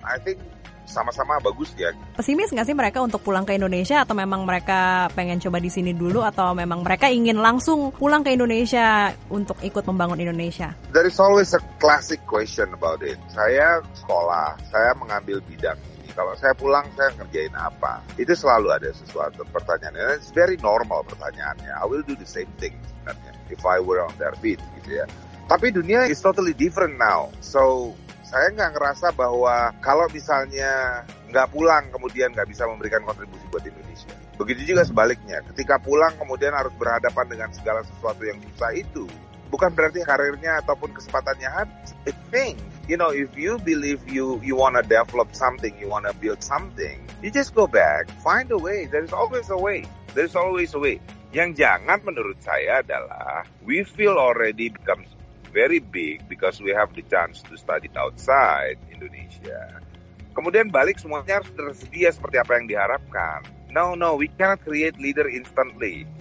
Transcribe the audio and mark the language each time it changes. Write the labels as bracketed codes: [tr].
[en] I think [id] sama-sama bagus ya. Pesimis nggak sih mereka untuk pulang ke Indonesia, atau memang mereka pengen coba di sini dulu, atau memang mereka ingin langsung pulang ke Indonesia untuk ikut membangun Indonesia? [en] There is always a classic question about it. [id] Saya sekolah, saya mengambil bidang ini. Kalau saya pulang, saya ngerjain apa? Itu selalu ada sesuatu pertanyaan. [en] It's very normal [id] pertanyaannya. [en] I will do the same thing [id] sebenarnya [en] if I were on their feet, [id] gitu ya. Tapi dunia [en] is totally different now. [id] So saya nggak ngerasa bahwa kalau misalnya nggak pulang kemudian nggak bisa memberikan kontribusi buat Indonesia. Begitu juga sebaliknya, ketika pulang kemudian harus berhadapan dengan segala sesuatu yang susah itu, bukan berarti karirnya ataupun kesempatannya habis. [en] I think, you know, if you believe you wanna develop something, you wanna build something, you just go back, find a way. There is always a way. There is always a way. [id] Yang jangan menurut saya adalah [en] we feel already becomes very big because we have the chance to study outside Indonesia. [id] Kemudian balik semuanya harus tersedia seperti apa yang diharapkan. [en] No, we cannot create leader instantly.